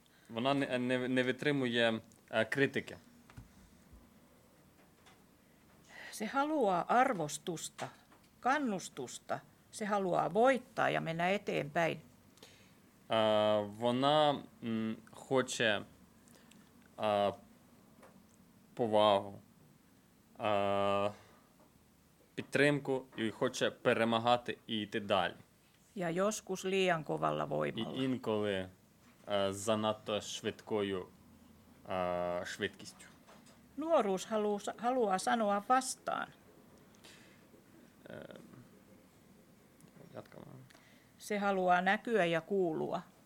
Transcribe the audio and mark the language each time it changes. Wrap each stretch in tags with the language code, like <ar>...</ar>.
<uk>Вона не витримує критики.</uk> <fi>Se haluaa arvostusta, kannustusta. Se haluaa voittaa ja mennä eteenpäin.</fi> <uk>Вона хоче повагу. підтримку і хоче перемагати і йти далі.</uk> <fi>Я joskus liian kovalla voimalla.</fi> <uk>І інколи занадто швидкою швидкістю.</uk> <fi>Nuoruus haluaa sanoa vastaan. Jatkamaan. Se haluaa näkyä ja kuulua.</fi>